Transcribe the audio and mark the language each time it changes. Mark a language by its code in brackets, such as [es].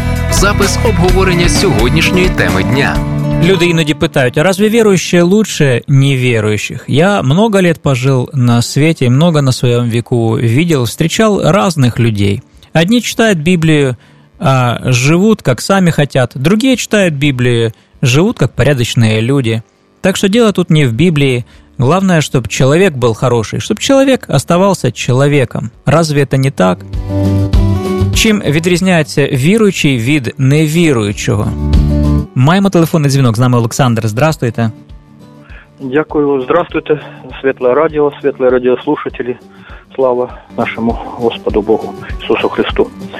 [uk] Запис обговорення сьогоднішньої теми дня. Люди іноді питають, [ru] а разве верующие лучше неверующих? Я много лет пожил на свете, много на своем веку видел, встречал разных людей. Одни читают Библию, а живут, как сами хотят. Другие читают Библию, живут, как порядочные люди. Так что дело тут не в Библии. Главное, чтобы человек был хороший, чтобы человек оставался человеком. Разве это не так? [uk] Чим відрізняється віруючий від невіруючого? Маємо телефонний дзвінок. З нами Олександр. [ru] Здравствуйте. [uk] Дякую. [ru] Здравствуйте. [uk] Світле радіо, світле радіослушателі. Слава нашому Господу Богу Ісусу Христу.